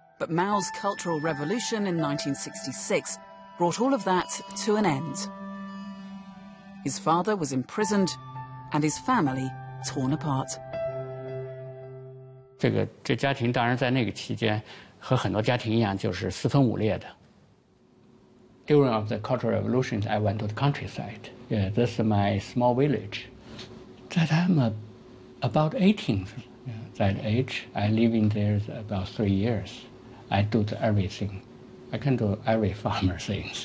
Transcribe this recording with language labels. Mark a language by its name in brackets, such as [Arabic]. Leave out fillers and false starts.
[English] But Mao's Cultural Revolution in 1966 brought all of that to an end. His father was imprisoned and his family torn apart. [Chinese] 这家庭当然在那个期间和很多家庭一样就是四分五裂的。 [English] During the Cultural Revolution, I went to the countryside. Yeah, this is my small village. That I'm about 18. That age, I live in there about 3 years. I do everything. I can do every farmer things.